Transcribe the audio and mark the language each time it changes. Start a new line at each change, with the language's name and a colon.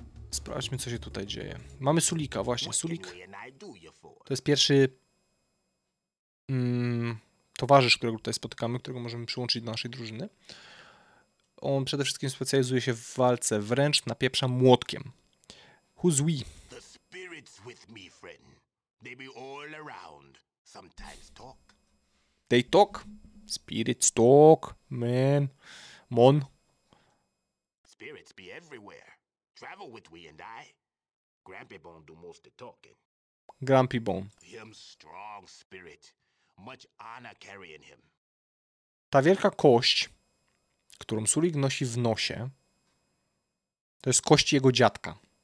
Polish: Sprawdźmy, co się tutaj dzieje. Mamy Sulika, właśnie. Sulik to jest pierwszy towarzysz, którego tutaj spotykamy, którego możemy przyłączyć do naszej drużyny. On przede wszystkim specjalizuje się w walce, wręcz napieprza młotkiem.
English: Who's we? The spirits with me, friend. They be all around. Sometimes talk. They talk? Spirits talk, man. Mon. Spirits be everywhere. Travel with we and I. Grumpy Bone do most the talking. Grumpy Bone. Him strong spirit. Much honor carrying him.
Polish: Ta wielka kość, którą Sulik nosi w nosie, to jest kość jego dziadka.